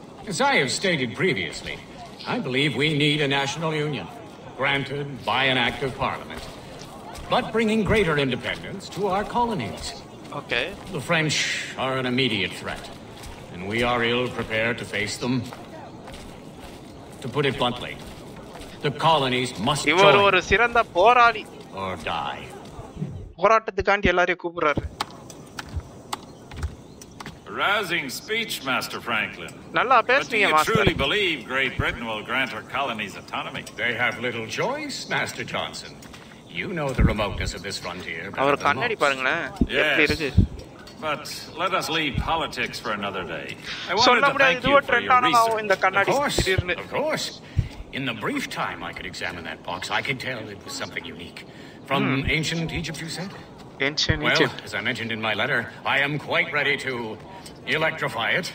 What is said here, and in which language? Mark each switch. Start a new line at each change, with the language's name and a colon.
English: As I have stated previously, I believe we need a national union, granted by an act of parliament, but bringing greater independence to our colonies. Okay. The French are an immediate threat, and we are ill prepared to face them. To put it bluntly, the colonies must join or die.
Tamil: போராட்டத்துக்காண்டி எல்லாரையும் கூப்பிடுறாரு.
English: Rousing speech, Master Franklin.
Tamil: நல்லா பேசுறீங்க master.
English: But do you truly believe Great Britain will grant our colonies autonomy? They have little choice, Master Johnson. You know the remoteness of this frontier.
Tamil: அவர் கண்ணாடி பாருங்களேன் எப்படி இருக்கு.
English: But let us leave politics for another day. Of course. In the brief time I could examine that box, I could tell it was something unique. From ancient Egypt, you said? Ancient well, Egypt. Well, as I mentioned in my letter, I am quite ready to electrify it.